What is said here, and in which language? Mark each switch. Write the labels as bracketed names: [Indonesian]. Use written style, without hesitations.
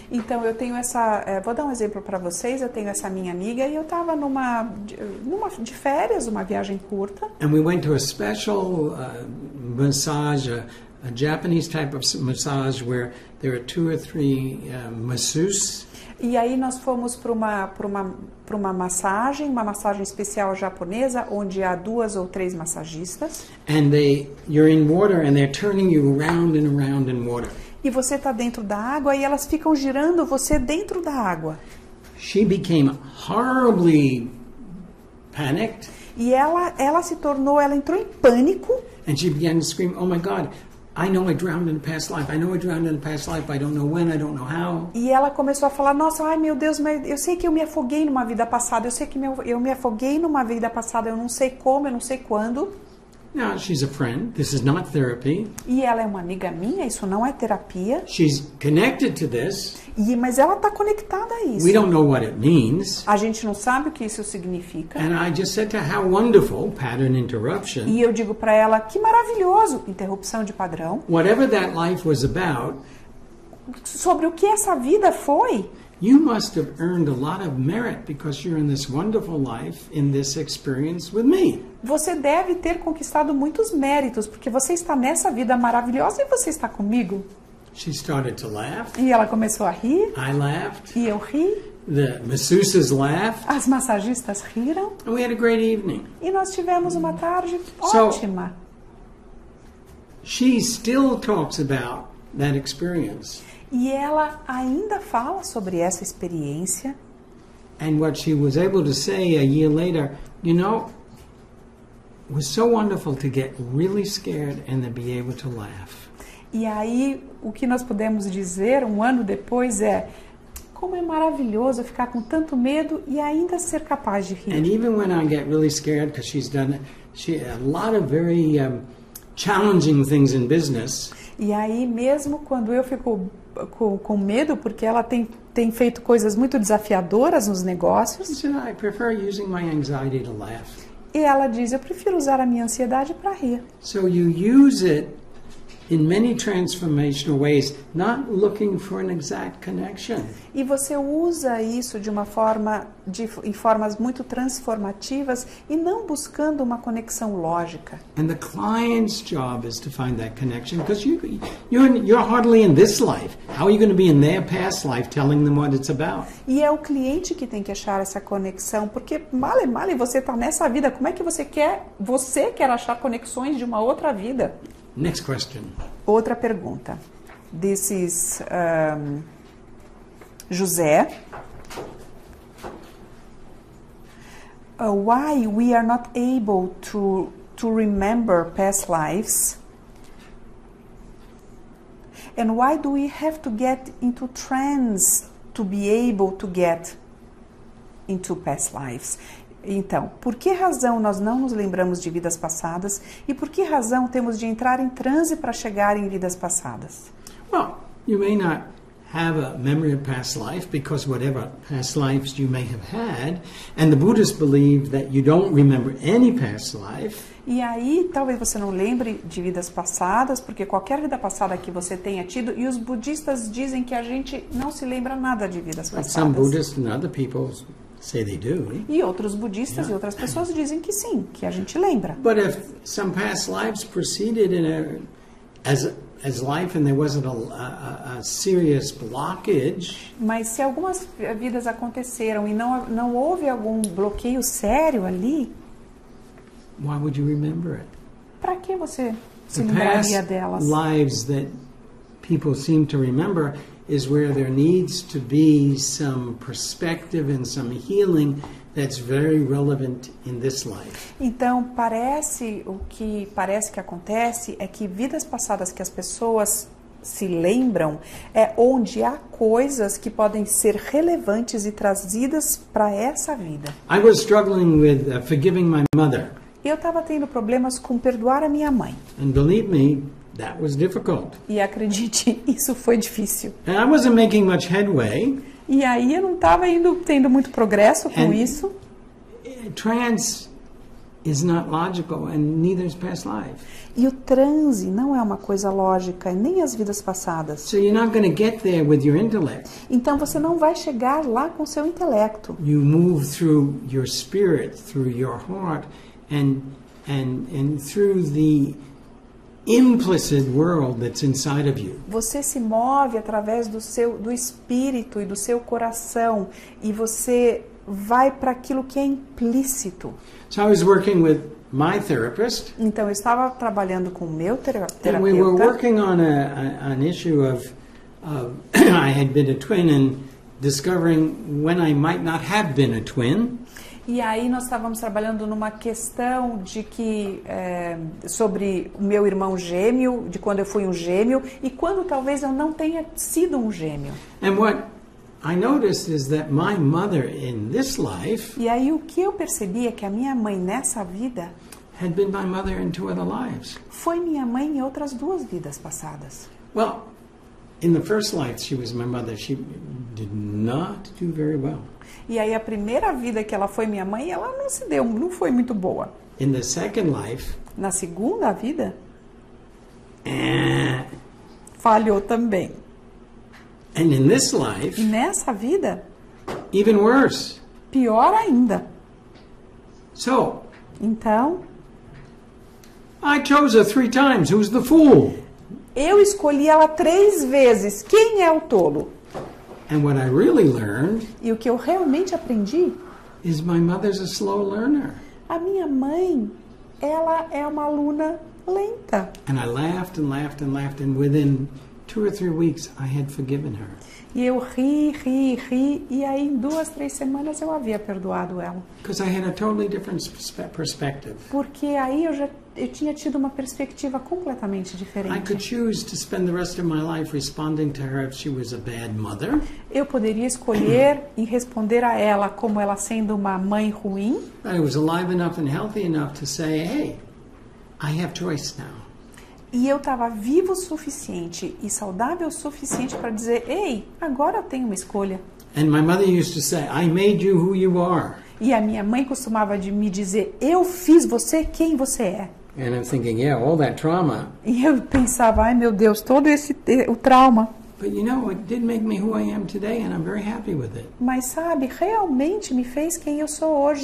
[Portuguese] Então eu tenho essa, vou dar um exemplo para vocês. Eu tenho essa minha amiga e eu estava numa de férias, uma viagem curta. [English] And we went to a special massage, a Japanese type of massage where there are two or three masseuses. [Portuguese] E aí nós fomos para uma massagem, uma massagem especial japonesa, onde há duas ou três massagistas. [English] And they, you're in water and they're turning you round and round in water. [Portuguese] E você está dentro da água e elas ficam girando você dentro da água. [English] She became horribly panicked. [Portuguese] E ela se tornou, ela entrou em pânico. [English] And she began to scream, oh my God, I know I drowned in a past life. I know I drowned in a past life. I don't know when, I don't know how. [Portuguese] E ela começou a falar, nossa, ai meu Deus, mas eu sei que eu me afoguei numa vida passada. Eu sei que eu me afoguei numa vida passada. Eu não sei como, eu não sei quando. [English] Now she's a friend. This is not therapy. [Portuguese] E ela é uma amiga minha. Isso não é terapia. [English] She's connected to this. [Portuguese] Mas ela está conectada a isso. [English] We don't know what it means. [Portuguese] A gente não sabe o que isso significa. [English] And I just said to her, how wonderful, pattern interruption. [Portuguese] E eu digo para ela, que maravilhoso, interrupção de padrão. [English] Whatever that life was about. [Portuguese] Sobre o que essa vida foi. [English] You must have earned a lot of merit because you're in this wonderful life in this experience with me. [Portuguese] Você deve ter conquistado muitos méritos porque você está nessa vida maravilhosa e você está comigo. [English] She started to laugh. [Portuguese] E ela começou a rir. [English] I laughed. [Portuguese] E eu ri. [English] The masseuses laughed. [Portuguese] As massagistas riram. [English] And we had a great evening. [Portuguese] E nós tivemos uma tarde ótima. [English] She still talks about that experience. [Portuguese] E ela ainda fala sobre essa experiência. [English] And what she was able to say a year later, you know, was so wonderful to get really scared and then be able to laugh. [Portuguese] E aí, o que nós podemos dizer um ano depois é como é maravilhoso ficar com tanto medo e ainda ser capaz de rir. [English] And even when I get really scared, because she's done a lot of very challenging things in business. [Portuguese] E aí, mesmo quando eu fico com medo, porque ela tem feito coisas muito desafiadoras nos negócios. [English] I prefer using my anxiety to laugh. [Portuguese] E ela diz, eu prefiro usar a minha ansiedade para rir. [English] So you use it in many transformational ways, not looking for an exact connection. [Portuguese] E você usa isso de uma forma, em formas muito transformativas e não buscando uma conexão lógica. [English] And the client's job is to find that connection, because you're hardly in this life. How are you going to be in their past life telling them what it's about? [Portuguese] E é o cliente que tem que achar essa conexão, porque mal e mal você está nessa vida. Como é que você quer achar conexões de uma outra vida? [English] Next question. [Portuguese] Outra pergunta. [English] This is José. Why we are not able to remember past lives? And why do we have to get into trance to be able to get into past lives? [Portuguese] Então, por que razão nós não nos lembramos de vidas passadas e por que razão temos de entrar em transe para chegar em vidas passadas? [English] Well, you may not have a memory of past life because whatever past lives you may have had, and the Buddhists believe that you don't remember any past life. [Portuguese] E aí, talvez você não lembre de vidas passadas, porque qualquer vida passada que você tenha tido, e os budistas dizem que a gente não se lembra nada de vidas passadas. [English] Some Buddhists and other people say they do. [Portuguese] E outros budistas e outras pessoas dizem que sim, que a gente lembra. [English] But if some past lives proceeded in a as life and there wasn't a serious blockage. [Portuguese] Mas se algumas vidas aconteceram e não houve algum bloqueio sério ali, [English] why would you remember it? [Portuguese] Para que você se lembraria delas? [English] Lives that people seem to remember is where there needs to be some perspective and some healing that's very relevant in this life. [Portuguese] Então, o que parece que acontece é que vidas passadas que as pessoas se lembram é onde há coisas que podem ser relevantes e trazidas para essa vida. [English] I was struggling with forgiving my mother. [Portuguese] Eu estava tendo problemas com perdoar a minha mãe. [English] And believe me, that was difficult. [Portuguese] E acredite, isso foi difícil. [English] And I wasn't making much headway. [Portuguese] E aí eu não estava tendo muito progresso com [English] and [Portuguese] isso. [English] Trance is not logical and neither is past life. [Portuguese] E o transe não é uma coisa lógica, nem as vidas passadas. [English] So you're not going to get there with your intellect. [Portuguese] Então você não vai chegar lá com seu intelecto. [English] You move through your spirit, through your heart, and through the implicit world that's inside of you. [Portuguese] Você se move através do espírito e do seu coração e você vai para aquilo que é implícito. [English] So I was working with my therapist. [Portuguese] Então eu estava trabalhando com o meu terapeuta. [English] And we were working on an issue of I had been a twin and discovering when I might not have been a twin. [Portuguese] E aí nós estávamos trabalhando numa questão de que sobre o meu irmão gêmeo, de quando eu fui um gêmeo e quando talvez eu não tenha sido um gêmeo. [English] And what I noticed is that my mother in this life. [Portuguese] E aí o que eu percebi é que a minha mãe nessa vida [English] had been my mother in two other lives. [Portuguese] Foi minha mãe em outras duas vidas passadas. [English] Well, in the first life she was my mother. She did not do very well. [Portuguese] E aí a primeira vida que ela foi minha mãe, ela não se deu, não foi muito boa. [English] In the second life. [Portuguese] Na segunda vida. Falhou também. [English] And in this life. [Portuguese] E nessa vida. [English] Even worse. [Portuguese] Pior ainda. [English] So. [Portuguese] Então. [English] I chose her three times. Who's the fool? [Portuguese] Eu escolhi ela três vezes. Quem é o tolo? [English] And what I really learned, [Portuguese] e o que eu realmente aprendi, [English] is my mother's a slow learner. [Portuguese] A minha mãe, ela é uma aluna lenta. [English] And I laughed and laughed and laughed, and within two or three weeks, I had forgiven her. [Portuguese] E eu ri, ri, ri, e aí em duas, três semanas eu havia perdoado ela. [English] Because I had a totally different perspective. [Portuguese] Porque aí eu tinha tido uma perspectiva completamente diferente. [English] I could choose to spend the rest of my life responding to her if she was a bad mother. [Portuguese] Eu poderia escolher em responder a ela como ela sendo uma mãe ruim. [English] But I was alive enough and healthy enough to say, hey, I have choice now. [Portuguese] E eu estava vivo o suficiente e saudável o suficiente para dizer, ei, agora eu tenho uma escolha. [English] And my mother used to say, I made you who you are. [Portuguese] E a minha mãe costumava me dizer, eu fiz você quem você é. [English] And I'm thinking, yeah, all that trauma. [Portuguese] E eu pensava, ai meu Deus, todo esse o trauma. [English] But you know, it did make me who I am today, and I'm very happy with it. [Portuguese] Mas sabe, realmente me fez quem eu sou hoje,